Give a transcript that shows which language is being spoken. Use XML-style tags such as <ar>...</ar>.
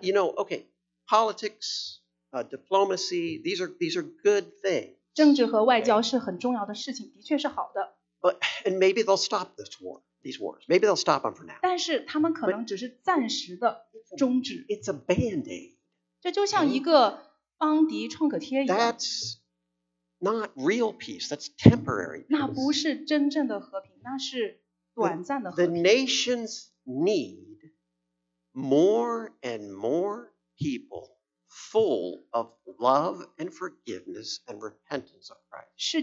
<en>You know, okay, politics, diplomacy, these are good things.</en> <zh>政治和外交是很重要的事情, okay. 的确是好的。</zh> <en>But, and maybe they'll stop this war. These wars. Maybe they'll stop them for now.</en> <zh>但是他们可能只是暂时的终止.</zh> <en>It's a band-aid.</en> <zh>这就像一个邦迪创可贴一样.</zh> <en>That's not real peace. That's temporary peace.</en> <zh>那不是真正的和平, 那是短暂的和平.</zh> <en>The nations need more and more people full of love and forgiveness and repentance of Christ.</en>